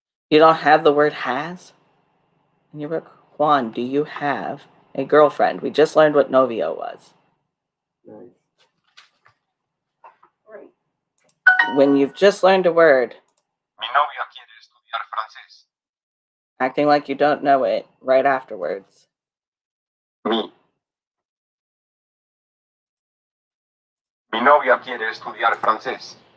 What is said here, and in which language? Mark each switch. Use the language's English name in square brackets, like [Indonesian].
[English] You don't have the word has? And you wrote, Juan, do you have a girlfriend? We just learned what novio was. Right. When you've just learned a word. [Spanish] Mi novia quiere estudiar francés. [English] Acting like you don't know it right afterwards. [Spanish] Mi. Mi novia quiere estudiar francés.